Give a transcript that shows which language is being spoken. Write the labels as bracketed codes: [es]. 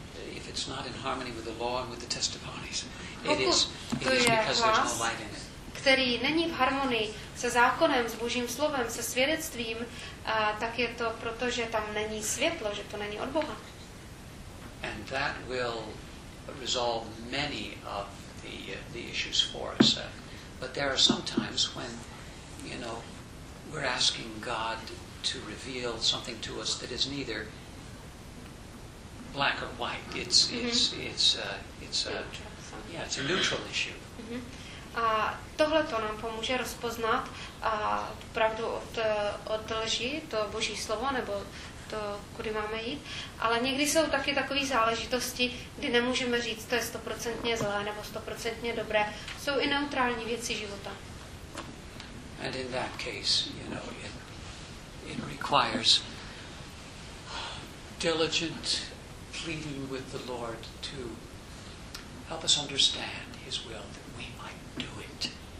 [en] If it's not in harmony with the law and with the testimonies, it is because [cs] hlas, [en] there's no light in it. [cs] Který není v harmonii se zákonem, s Božím slovem, se svědectvím, tak je to proto, že tam není světlo, že to není od Boha. [en] And that will resolve many of the issues for us. But there are some times when, you know, we're asking God to reveal something to us that is neither black or white. It's a neutral issue. Mm-hmm. [cs] A tohle to nám pomůže rozpoznat pravdu od lži, to Boží slovo nebo to, kudy máme jít. Ale někdy jsou taky takové záležitosti, kdy nemůžeme říct, to je stoprocentně zlé nebo stoprocentně dobré. Jsou i neutrální věci života. [en] And in that case, you know, it requires diligent pleading with the Lord to help us understand His will that we might do it.